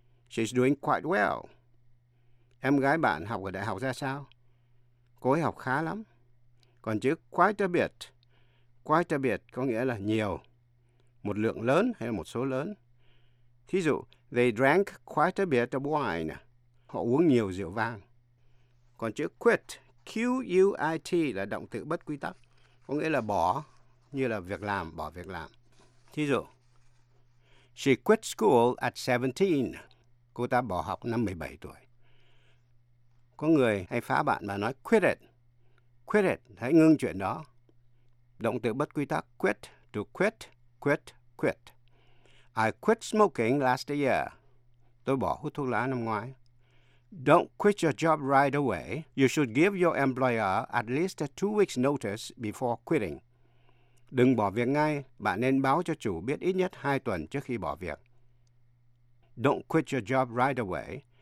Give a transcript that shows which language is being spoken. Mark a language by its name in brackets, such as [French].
[English] She's doing quite well. [Vietnamese] Em gái bạn học ở đại học ra sao? Cô ấy học khá lắm. Còn chữ quite a bit có nghĩa là nhiều. Một lượng lớn hay là một số lớn. Thí dụ, [English] they drank quite a bit of wine. [Vietnamese] Họ uống nhiều rượu vang. Còn chữ quit, Q-U-I-T là động từ bất quy tắc. Có nghĩa là bỏ, như là việc làm, bỏ việc làm. Thí dụ, [English] she quit school at 17. [Vietnamese] Cô ta bỏ học năm 17 tuổi. Có người hay phá bạn mà nói [English] quit it. Quit it, [Vietnamese] hãy ngưng chuyện đó. Động từ bất quy tắc quit, to quit, quit, quit. [English] I quit smoking last year. [Vietnamese] Tôi bỏ hút thuốc lá năm ngoái. [English] Don't quit your job right away. You should give your employer at least 2 weeks notice before quitting. [Vietnamese] Đừng bỏ việc ngay. Bạn nên báo cho chủ biết ít nhất 2 tuần trước khi bỏ việc. [English] Don't quit your job right away.